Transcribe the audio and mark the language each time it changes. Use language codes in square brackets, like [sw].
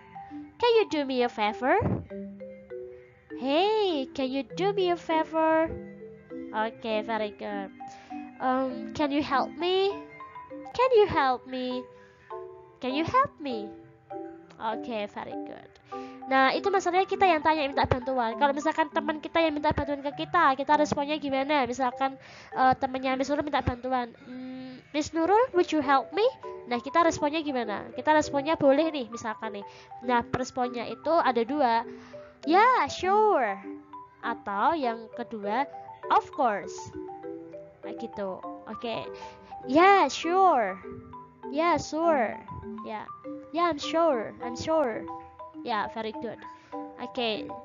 [en] Can you do me a favor? Hey, can you do me a favor? Oke, very good. Can you help me? Can you help me? Can you help me? Oke, very good. [id] Nah, itu masalahnya kita yang tanya minta bantuan. Kalau misalkan teman kita yang minta bantuan ke kita, kita responnya gimana? Misalkan temannya Miss Nurul minta bantuan, Miss Nurul, [en] would you help me? [id] Nah, kita responnya gimana? Kita responnya boleh nih, misalkan nih. Nah, responnya itu ada dua. [en] Ya, yeah, sure. Atau yang kedua, of course. Nah, gitu. Oke. Okay. Ya, yeah, sure. Ya, yeah, sure. Ya. Yeah. Yeah, I'm sure. I'm sure. Ya, yeah, very good. Oke. Okay.